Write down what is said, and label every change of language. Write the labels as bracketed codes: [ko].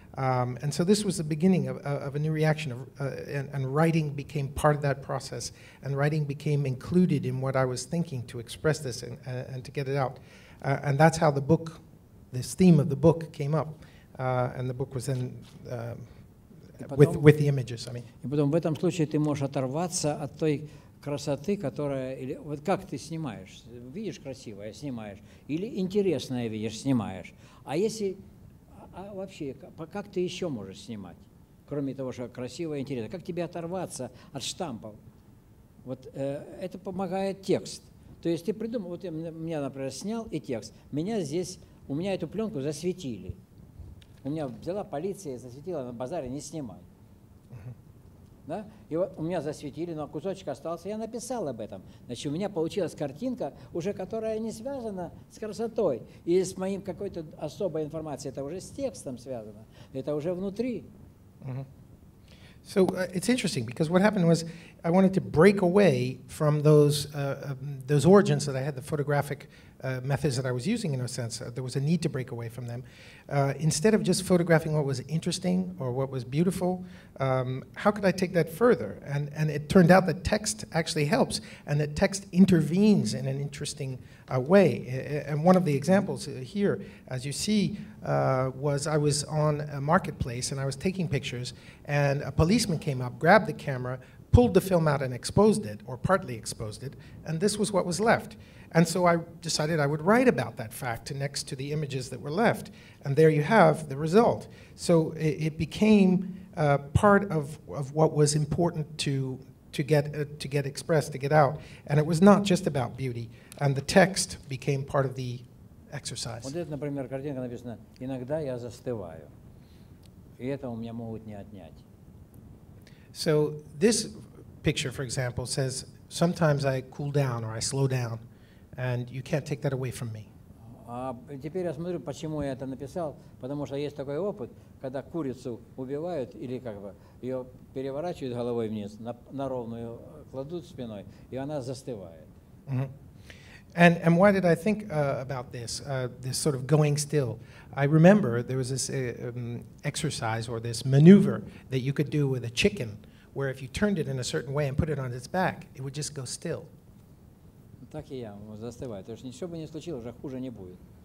[en] And so this was the beginning of a new reaction, of, and writing became part of that process, and writing became included in what I was thinking to express this and to get it out. And that's how the book, this theme of the book came up, and the book was then with the images, I mean. [ru] И потом в этом случае ты можешь оторваться от той красоты, которая, или вот как ты снимаешь, видишь красивое, снимаешь, или интересное видишь, снимаешь. А если, а вообще, как ты еще можешь снимать, кроме того, что красивое, интересное? Как тебе оторваться от штампов? Вот это помогает текст. То есть ты придумал, вот я меня, например, снял и текст, меня здесь, у меня эту пленку засветили. У меня взяла полиция, засветила на базаре, не снимай. Да? И вот у меня засветили, но кусочек остался, я написал об этом. Значит, у меня получилась картинка, уже которая не связана с красотой и с моим какой-то особой информацией. Это уже с текстом связано, это уже внутри. [en] So it's interesting, because what happened was I wanted to break away from those origins that I had, the photographic methods that I was using, in a sense. There was a need to break away from them. Instead of just photographing what was interesting or what was beautiful, how could I take that further? And it turned out that text actually helps, and that text intervenes in an interesting way. And one of the examples here, as you see, was I was on a marketplace, and I was taking pictures, and a policeman came up, grabbed the camera, pulled the film out and exposed it, or partly exposed it, and this was what was left. And so I decided I would write about that fact next to the images that were left. And there you have the result. So it became part of what was important to get expressed, to get out. And it was not just about beauty. And the text became part of the exercise. [ru] Вот это, например, картинка написана, иногда я застываю. И это у меня могут не отнять. [en] So this picture, for example, says, sometimes I cool down or I slow down. And you can't take that away from me. [ru] Теперь я смотрю, почему я это написал, потому что есть такой опыт, когда курицу убивают или как бы ее переворачивают головой вниз, на ровную кладут спиной, и она застывает. [en] And why did I think about this, this sort of going still? I remember there was this exercise or this maneuver that you could do with a chicken, where if you turned it in a certain way and put it on its back, it would just go still. [ru] Так и я застываю. То есть ничего бы не случилось, уже хуже не будет.